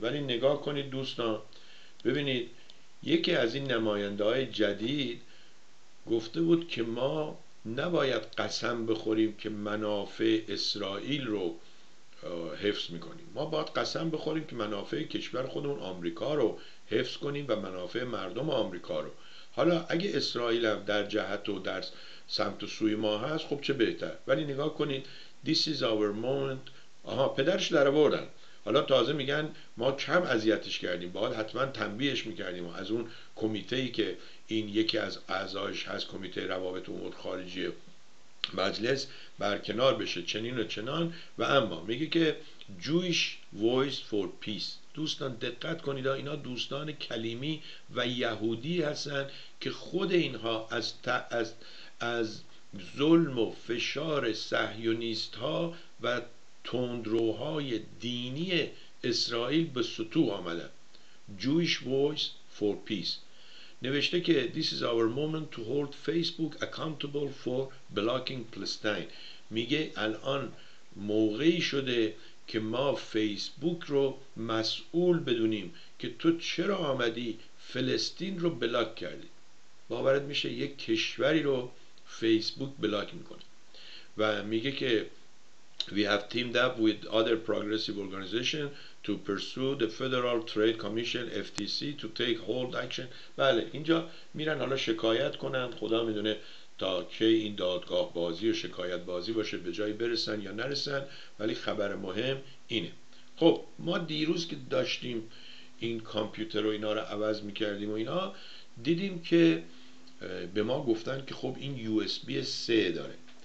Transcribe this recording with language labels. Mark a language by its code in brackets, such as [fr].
[fa] ولی نگاه کنید دوستان، ببینید یکی از این نماینده‌های جدید گفته بود که ما نباید قسم بخوریم که منافع اسرائیل رو حفظ میکنیم، ما باید قسم بخوریم که منافع کشور خودمون آمریکا رو حفظ کنیم و منافع مردم آمریکا رو. حالا اگه اسرائیل هم در جهت و در سمت و سوی ما هست، خب چه بهتر. ولی نگاه کنید [en] This is our moment. [fa] آها، پدرش در آوردن، حالا تازه میگن ما کم اذیتش کردیم، باید حتما تنبیهش میکردیم. از اون کمیته‌ای که این یکی از اعضایش هست، کمیته روابط امور خارجی مجلس، برکنار بشه چنین و چنان. و اما میگه که Jewish Voice for Peace، دوستان دقت کنید، اینا دوستان کلیمی و یهودی هستن که خود اینها از ظلم و فشار صهیونیست ها و تندروهای دینی اسرائیل به سطوح آمدن. Jewish Voice for Peace، نوشته که [en] This is our moment to hold Facebook accountable for blocking Palestine. [fa] میگه الان موقعی شده که ما فیسبوک رو مسئول بدونیم که تو چرا آمدی فلسطین رو بلاک کردی. باورت میشه یک کشوری رو فیسبوک بلاک میکنه؟ و میگه که [en] We have teamed up with other progressive organizations to pursue the Federal Trade Commission FTC to take hold action. [fa] بله اینجا میرن حالا شکایت کنن، خدا میدونه تا که این دادگاه بازی و شکایت بازی باشه به جایی برسن یا نرسن، ولی خبر مهم اینه. خب ما دیروز که داشتیم این کامپیوتر و اینا رو عوض میکردیم و اینا، دیدیم که به ما گفتن که خب این USB 3 داره.